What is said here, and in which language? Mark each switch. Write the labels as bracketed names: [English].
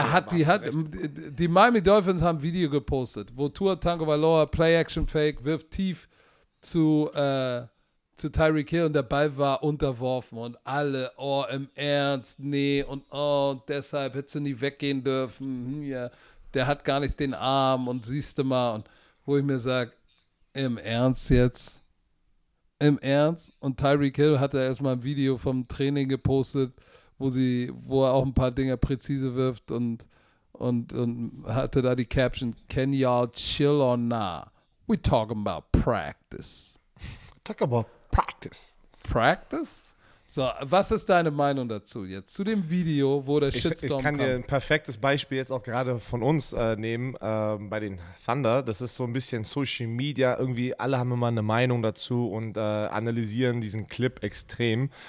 [German] Die Miami Dolphins haben ein Video gepostet, wo Tua Tagovailoa Play-Action-Fake wirft tief zu Tyreek Hill und der Ball war unterworfen und alle, oh, im Ernst, nee, und oh, deshalb hättest du nie weggehen dürfen, ja, der hat gar nicht den Arm und siehste mal, und wo ich mir sage, Im Ernst jetzt? Im Ernst? Und Tyreek Hill hat ja erstmal ein Video vom Training gepostet, wo er auch ein paar Dinger präzise wirft und hatte da die Caption: [English] Can y'all chill or nah? We talking about practice. Talk about practice. Practice? [German] So, was ist deine Meinung dazu jetzt? Zu dem Video, wo der Shitstorm kam. Ich kann dir ein perfektes Beispiel jetzt auch gerade von uns nehmen, bei den Thunder. Das ist so ein bisschen Social Media. Irgendwie alle haben immer eine Meinung dazu und analysieren diesen Clip extrem.